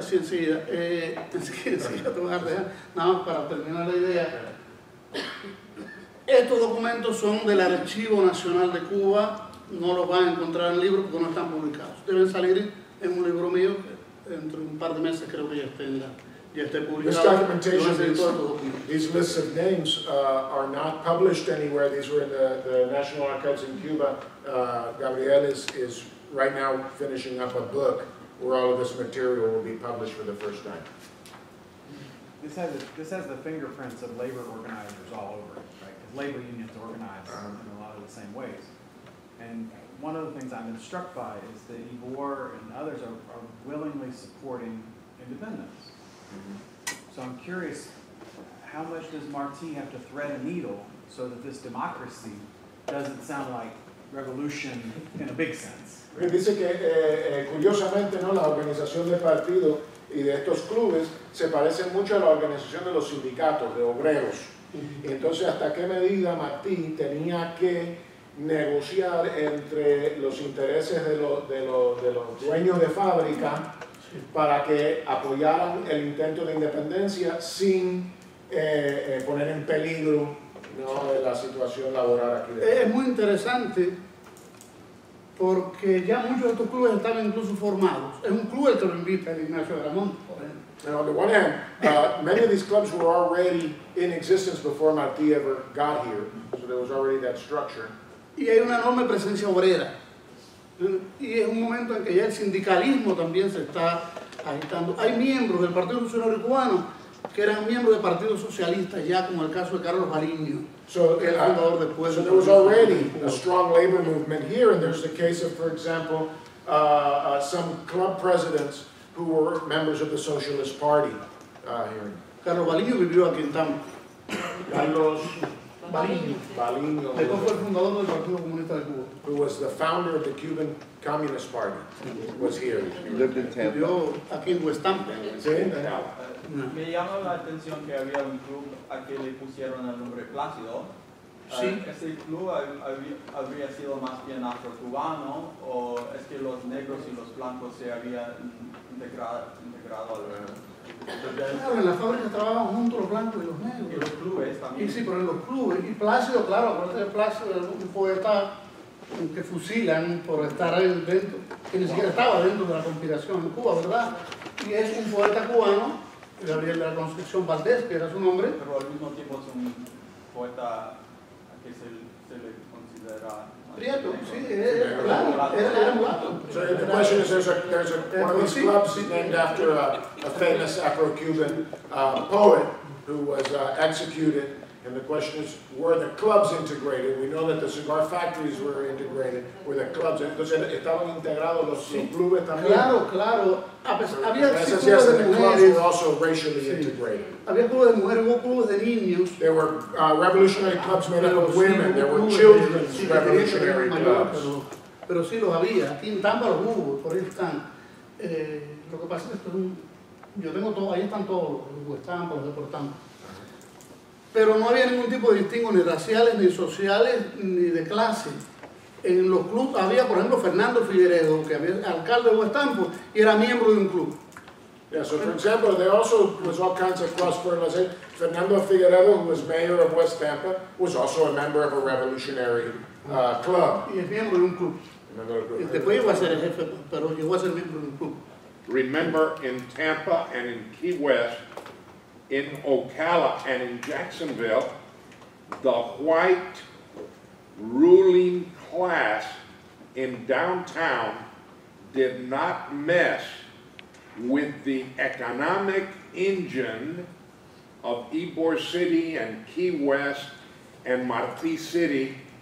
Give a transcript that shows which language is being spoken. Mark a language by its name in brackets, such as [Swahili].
[Spanish] Sí, sí, nada más para terminar la idea. Estos documentos son del Archivo Nacional de Cuba. No los van a encontrar en libros porque no están publicados. Deben salir en un libro mío. Entre un par de meses creo que ya esté publicado. [English] This documentation, these lists of names are not published anywhere. These were in the National Archives in Cuba. Gabriel is right now finishing up a book where all of this material will be published for the first time. This has the fingerprints of labor organizers all over it, right? Because labor unions organize in a lot of the same ways. And one of the things I've been struck by is that Ybor and others are willingly supporting independence. Mm-hmm. So I'm curious, how much does Martí have to thread a needle so that this democracy doesn't sound like revolution in a big sense? [Spanish] Dice que curiosamente, ¿no?, la organización del partido y de estos clubes se parecen mucho a la organización de los sindicatos, de obreros. Y entonces, ¿hasta qué medida Martí tenía que negociar entre los intereses de los dueños de fábrica para que apoyaran el intento de independencia sin poner en peligro, ¿no?, la situación laboral aquí? Es muy interesante porque ya muchos de estos clubes estaban incluso formados. Es un club el que lo invita, el Ignacio Gramont, por ejemplo. [English] Now, on the one hand, many of these clubs were already in existence before Martí ever got here, so there was already that structure. [Spanish] Y hay una enorme presencia obrera. Y es un momento en que ya el sindicalismo también se está agitando. Hay miembros del Partido Socialista Cubano que eran miembros del Partido Socialista ya, como el caso de Carlos Baliño, que era fundador del pueblo. [English] So there was already a strong labor movement here, and there's the case of, for example, some club presidents who were members of the Socialist Party here. [Spanish] Carlos Baliño vivió aquí en Tampa. Carlos Baliño. Baliño. Después fue el fundador del Partido Comunista de Cuba. [English] Who was the founder of the Cuban Communist Party, was here. He lived in Tampa. [Spanish] Vivió aquí en West Tampa. Sí, en Tampa. Me llama la atención que había un club a que le pusieron el nombre Plácido. Sí. ¿Ese club habría sido más bien afro-cubano, o es que los negros y los blancos se habían integrado al... Claro, en la fábrica trabajaban juntos los blancos y los negros. Y los clubes también. Y sí, pero en los clubes. Y Plácido, claro, acuérdate de Plácido, era un poeta que fusilan por estar dentro, que ni siquiera estaba dentro de la conspiración en Cuba, ¿verdad? Y es un poeta cubano, Gabriel de la Concepción Valdés, que era su nombre. Pero al mismo tiempo es un poeta que se le considera... Prieto, sí, claro. [English] So the question is, there's one of these clubs named after a famous Afro-Cuban poet who was executed, and the question is, were the clubs integrated? We know that the cigar factories were integrated, were the clubs, [Spanish] entonces estaban integrados los clubes también. Claro, claro. Había clubes de mujeres. [English] The club was also racially integrated. [Spanish] Había clubes de mujeres, hubo clubes de niños. [English] There were revolutionary clubs made up of women. There were children's revolutionary clubs. [Spanish] Pero sí los había. Aquí en Tampa los hubo. Por ahí están. Lo que pasa es que yo tengo todo. Ahí están todos los Huestampa, los Deportampa. Pero no había ningún tipo de distingo ni raciales, ni sociales, ni de clase. En los clubes había, por ejemplo, Fernando Figueredo, que había alcalde de Huestampo, y era miembro de un club. [English] Yeah, so for example, there also was all kinds of cross-fertilization. Fernando Figueredo, who was mayor of West Tampa, was also a member of a revolutionary club. [Spanish] Y es miembro de un club. Después iba a ser el jefe, pero llegó a ser miembro de un club. [English] Remember, in Tampa and in Key West, in Ocala and in Jacksonville, the white ruling class in downtown did not mess with the economic engine of Ybor City and Key West and Martí City.